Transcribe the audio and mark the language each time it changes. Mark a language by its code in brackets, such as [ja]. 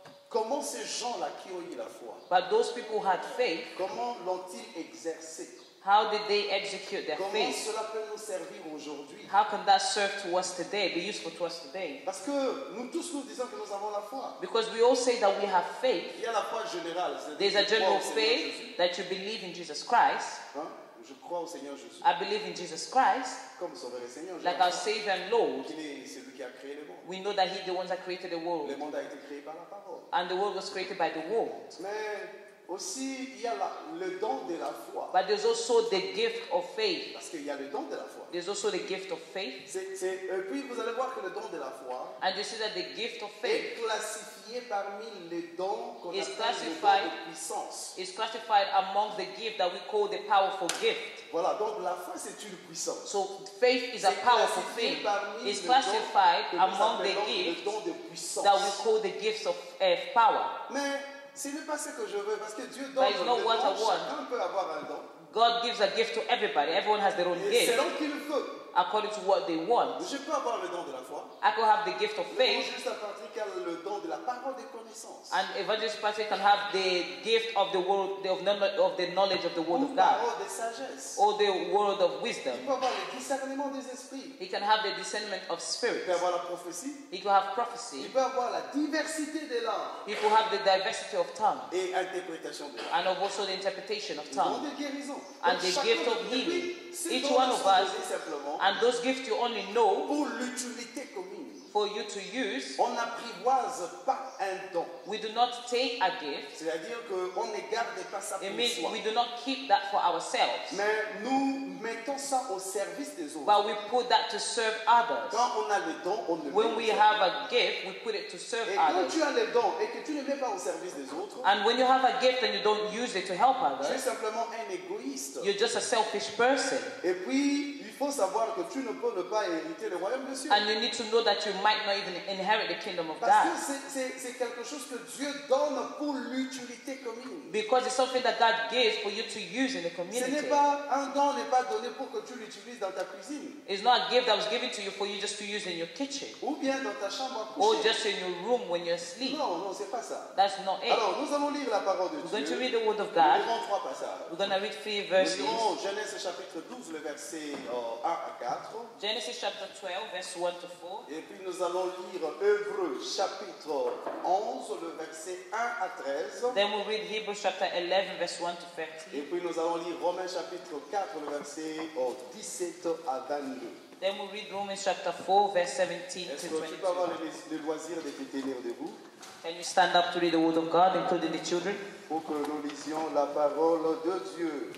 [fr] Comment ces gens-là qui ont eu la foi? [en] But those people who had faith. [fr] Comment l'ont-ils exercé? [en] How did they execute their [fr] comment [en] faith? [fr] Comment cela peut nous servir aujourd'hui? [en] How can that serve to us today? Be useful to us today? [fr] Parce que nous tous nous disons que nous avons la foi. [en] Because we all say that we have faith. [fr] Il y a la foi générale. [en] There's a general faith that you believe in Jesus Christ. [fr] Hein? Je crois au Seigneur Jésus. [en] I believe in Jesus Christ. [fr] Comme son vrai Seigneur. [en] Like our Savior and Lord. [fr] Qui est celui qui a créé le monde. [en] We know that He's the one that created the world. [fr] Le monde a été créé par la parole. [en] And the world was created by the word. [fr] Mais aussi, il y a le don de la foi. [en] But there's also the gift of faith. [fr] Parce qu'il y a le don de la foi. [en] There's also the gift of faith. [fr] Et puis vous allez voir que le don de la foi. [en] And you see that the gift of faith [fr] est classifié parmi les dons qu'on [en] is classified, [fr] le don de puissance. [en] Is classified among the gift that we call the powerful gift. [fr] Voilà, donc la foi c'est une puissance. [en] So faith is [fr] c'est [en] a powerful thing. It's classified [fr] don [en] among the gifts that we call the gifts of power. [fr] Mais ce n'est pas ce que je veux parce que Dieu donne le don. Chacun peut avoir un don. [en] God gives a gift to everybody. Everyone has their own [fr] et [en] gift. [fr] Selon qu'il veut. [en] According to what they want. [fr] Je peux avoir le don de la foi. [en] I could have the gift of faith. [fr] Juste à partir qu'il a le don de la parole des connaissances. [en] And evangelist Patrick can have the gift of the word of the knowledge of the word [fr] ou [en] of God. [fr] Parole de sagesse. [en] Or the word of wisdom. [fr] Il peut avoir le discernement des esprits. [en] He can have the discernment of spirits. [fr] Il peut avoir la prophétie. [en] He could have prophecy. [fr] Il peut avoir la diversité des langues. [en] He could have the diversity of tongues. [fr] Et interprétation de [en] langues. And also the interpretation of tongues. [fr] Le don de guérison. [en] And the gift of healing. Each one of us. And those gifts you only know [fr] pour l'utilité commune, [en] for you to use, [fr] on n'apprivoise pas un don. [en] We do not take a gift. [fr] C'est-à-dire qu'on ne garde pas ça pour soi. [en] We do not keep that for ourselves. [fr] Mais nous mettons ça au service des autres. [en] But we put that to serve others. [fr] Quand on a le don, on le [en] when we have a gift, we put it to serve [fr] et quand [en] others. [fr] Tu as le don et que tu ne mets pas au service des autres, [en] and when you have a gift and you don't use it to help others, [fr] tu es simplement un égoïste. [en] You're just a selfish person. [fr] Et puis, il faut savoir que tu ne peux pas hériter le royaume de Dieu. [en] And you need to know that you might not even inherit the kingdom of [fr] parce [en] God. [fr] Que c'est quelque chose que Dieu donne pour l'utilité commune. [en] Because it's something that God gives for you to use in the community. [fr] Ce n'est pas un don n'est pas donné pour que tu l'utilises dans ta cuisine. [en] It's not a gift that was given to you for you just to use in your kitchen. [fr] Ou bien dans ta chambre à coucher. [en] Or just in your room when you're asleep. [fr] Non, c'est pas ça. [en] That's not it. [fr] Alors, nous allons lire la parole de [en] we're [fr] Dieu. [en] Going to read the word of God. [fr] Nous lirons trois passages. [en] We're going to read three verses. [fr] Nous lirons Genèse chapitre 12, le verset 1 à 4. [en] Genesis chapter 12, verse 1 to 4. [fr] Et puis nous allons lire Hébreux chapitre 11, le verset 1 à 13. [en] Then we'll read Hebrews chapter 11, verse 1 to 13. [fr] Et puis nous allons lire Romains chapitre 4, le verset 17 à 22. [en] Then we'll read Romans chapter 4, verse 17 [fr] est-ce [en] to 22. [fr] Est-ce que tu peux avoir le loisir de te tenir debout? [en] Can you stand up to read the word of God, including the children? [fr] Pour que nous lisions la parole de Dieu.